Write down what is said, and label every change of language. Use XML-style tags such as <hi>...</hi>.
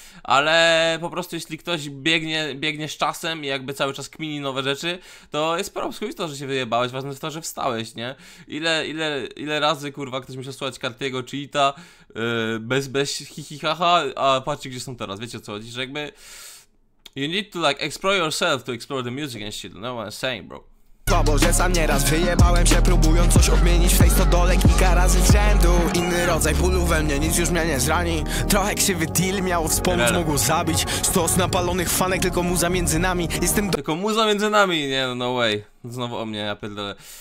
<pl>Ale po prostu jeśli ktoś biegnie z czasem i jakby cały czas kmini nowe rzeczy, to jest problem. To, że się wyjebałeś, ważne jest to, że wstałeś, nie? Ile razy, kurwa, ktoś musiał słuchać Cartiego, Cheeta, bez hihihaha, a patrzcie, gdzie są teraz, wiecie o co chodzi, że jakby...</pl> <en>You need to like explore yourself to explore the music and shit, you know what I'm saying, bro.</en> <pl>To bo, że sam nieraz wyjebałem się próbując coś odmienić w tej stodole kilka razy z rzędu. Inny rodzaj bólu we mnie, nic już mnie nie zrani. Trochę krzywy deal miał wspomóc, mógł zabić. Stos napalonych fanek, tylko muza między nami. Jestem tylko muza między nami, nie,</pl> <en>no way.</en> <pl>Znowu o mnie, ja pierdolę.</pl>